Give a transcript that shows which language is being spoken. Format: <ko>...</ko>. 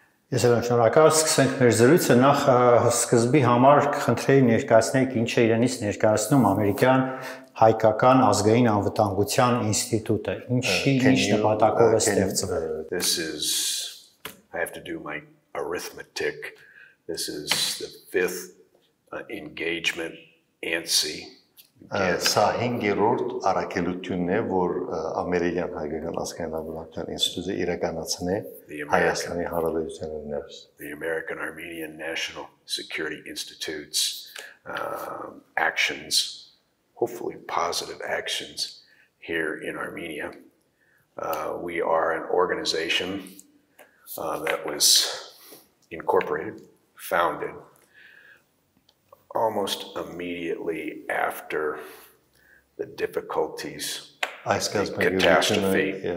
<hy>Ես եմ շնորհակալ, սկսենք մեր զրույցը, նախ սկզբի համար կխնդրեի ներկայացնեիք, ինչ է իրենից ներկայացնում ամերիկյան հայկական ազգային անվտանգության ինստիտուտը, ինչ նպատակով է ստեղծվել։</hy> <en>This is, I have to do my arithmetic, this is the fifth engagement ANSI.</en> <hy>Սա հինգերորդ առաքելությունն է, որ ամերիկյան հայկական ազգային անվտանգության ինստիտուտը իրականացնում է Հայաստանի Հանրապետության ներս։</hy> <en>The American Armenian National Security Institute's actions, hopefully positive actions, here in Armenia. We are an organization that was incorporated, founded, almost immediately after the difficulties, the catastrophe.</en>